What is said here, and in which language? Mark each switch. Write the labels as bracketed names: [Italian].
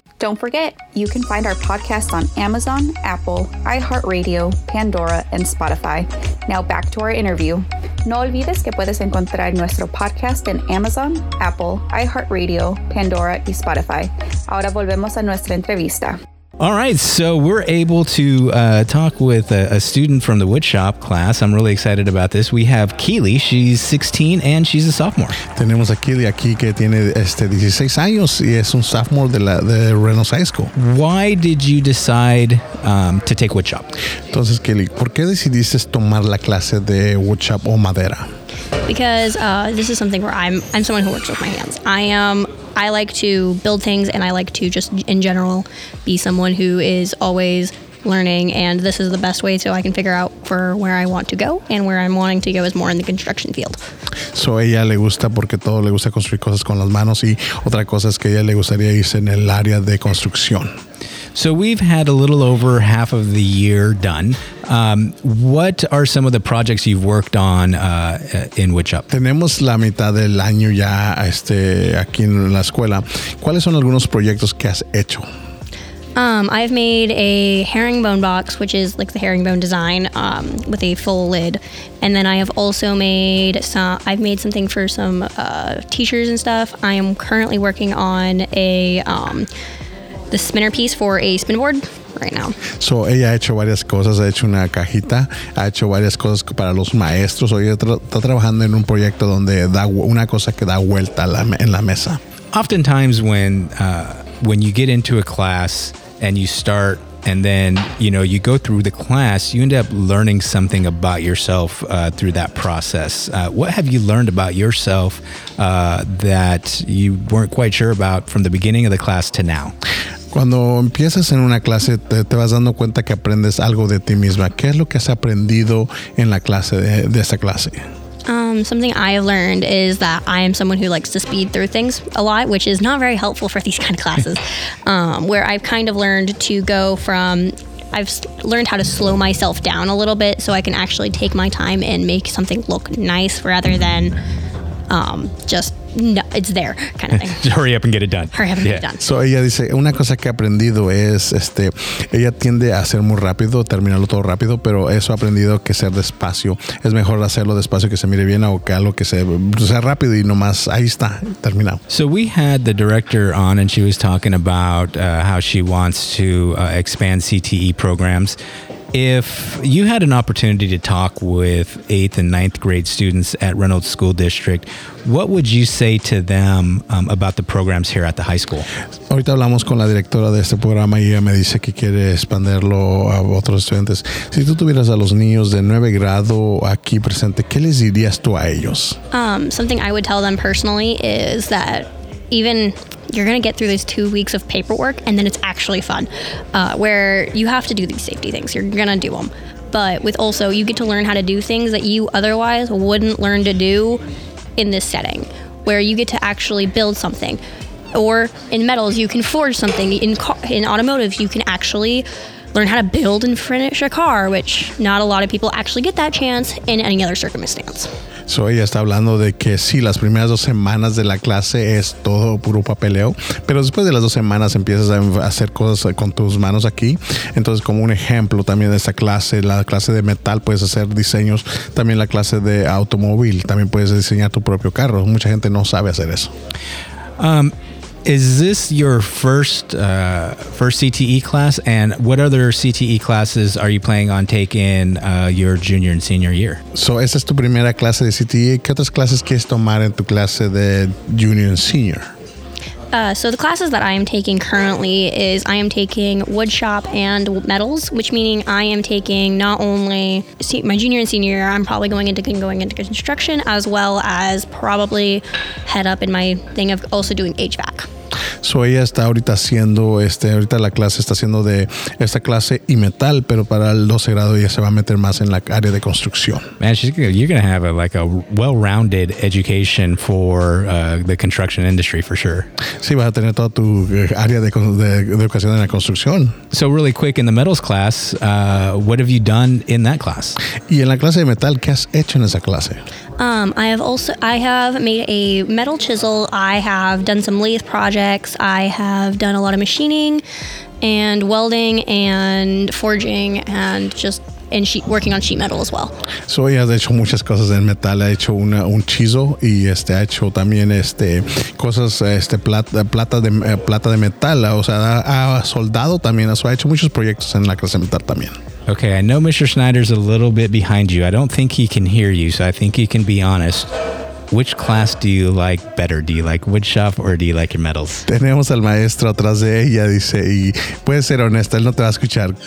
[English] Don't forget, you can find our podcast on Amazon, Apple, iHeartRadio, Pandora, and Spotify. Now back to our interview. [Spanish] No olvides que puedes encontrar nuestro podcast en Amazon, Apple, iHeartRadio, Pandora, y Spotify. Ahora volvemos a nuestra entrevista. [English] All right, so we're able to talk with a student from the woodshop class. I'm really excited about this. We have Keely. She's 16 and she's a sophomore. [Spanish] Tenemos a Keely aquí que tiene 16 años y es un sophomore de Reynolds High School. [English] Why did you decide to take woodshop? [Spanish] Entonces, Keely, ¿por qué decidiste tomar la clase de woodshop o madera? [English] Because this is something where I'm someone who works with my hands. I like to build things, and I like to just in general be someone who is always learning, and this is the best way so I can figure out for where I want to go, and where I'm wanting to go is more in the construction field. [Spanish] So ella le gusta porque todo le gusta construir cosas con las manos, y otra cosa es que ella le gustaría irse en el área de construcción. [English] So we've had a little over half of the year done. What are some of the projects you've worked on in WhichUp? [Spanish] Tenemos la mitad del año ya aquí en la escuela. ¿Cuáles son algunos proyectos que has hecho? [English] I've made a herringbone box, which is like the herringbone design with a full lid. And then I have also made something for some teachers and stuff. I am currently working on the spinner piece for a spin board right now. [Spanish] So ella ha hecho varias cosas, ha hecho una cajita, ha hecho varias cosas para los maestros. Ella está trabajando en un proyecto donde da una cosa que da vuelta en la mesa. [English] Oftentimes when you get into a class and you start, and then, you know, you go through the class, you end up learning something about yourself through that process. What have you learned about yourself that you weren't quite sure about from the beginning of the class to now? [Spanish] Cuando empiezas en una clase, te vas dando cuenta que aprendes algo de ti misma. ¿Qué es lo que has aprendido en la clase de esta clase? [English] Something I have learned is that I am someone who likes to speed through things a lot, which is not very helpful for these kind of classes, where I've kind of learned to go from, I've learned how to slow myself down a little bit so I can actually take my time and make something look nice rather than just, no, it's there kind of thing. Just hurry up and get it done. Hurry up and get it done. [Spanish] So ella dice, una cosa que he aprendido es, ella tiende a hacer muy rápido, terminarlo todo rápido, pero eso he aprendido que ser despacio. Es mejor hacerlo despacio que se mire bien o que algo que sea rápido y nomás, ahí está, terminado. [English] So we had the director on and she was talking about how she wants to expand CTE programs. If you had an opportunity to talk with 8th and 9th grade students at Reynolds School District, what would you say to them about the programs here at the high school? [Spanish] Ahorita hablamos con la directora de este programa y ella me dice que quiere expandirlo a otros estudiantes. Si tú tuvieras a los niños de 9 grado aquí presente, ¿qué les dirías tú a ellos? [English] Something I would tell them personally is that even you're going to get through these 2 weeks of paperwork and then it's actually fun, where you have to do these safety things. You're going to do them. But with also, you get to learn how to do things that you otherwise wouldn't learn to do in this setting, where you get to actually build something. Or in metals, you can forge something. In automotive, you can actually learn how to build and finish a car, which not a lot of people actually get that chance in any other circumstance. [Spanish] So ella está hablando de que sí, las primeras dos semanas de la clase es todo puro papeleo, pero después de las dos semanas empiezas a hacer cosas con tus manos aquí. Entonces, como un ejemplo también de esta clase, la clase de metal, puedes hacer diseños. También la clase de automóvil, también puedes diseñar tu propio carro. Mucha gente no sabe hacer eso. [English] Is this your first CTE class? And what other CTE classes are you planning on taking your junior and senior year? [Spanish] So, esta es tu primera clase de CTE. ¿Qué otras clases quieres tomar en tu clase de [English] junior and senior? So, the classes that I am taking currently is I am taking wood shop and metals, which meaning I am taking not only my junior and senior year, I'm probably going into construction, as well as probably head up in my thing of also doing HVAC. [Spanish] So ella está ahorita haciendo ahorita la clase está haciendo de esta clase y metal, pero para el 12 grado ella se va a meter más en la área de construcción. [English] Man, you're going to have a well-rounded education for the construction industry for sure. [Spanish] Sí, vas a tener toda tu área de educación en la construcción. [English] So really quick, in the metals class, what have you done in that class? [Spanish] Y en la clase de metal, ¿qué has hecho en esa clase? [English] I have made a metal chisel. I have done some lathe projects. I have done a lot of machining and welding and forging and just and working on sheet metal as well. [Spanish] So ella ha hecho muchas cosas en metal. Ha hecho un chisel y ha hecho también cosas plata de metal. O sea, ha soldado también. So ha hecho muchos proyectos en la clase de metal también. [English] Okay, I know Mr. Schneider's a little bit behind you. I don't think he can hear you, so I think you can be honest. Which class do you like better? Do you like woodshop or do you like your metals? [Spanish] Tenemos al maestro atrás de ella, dice, y puedes ser honesta, él no te va a escuchar.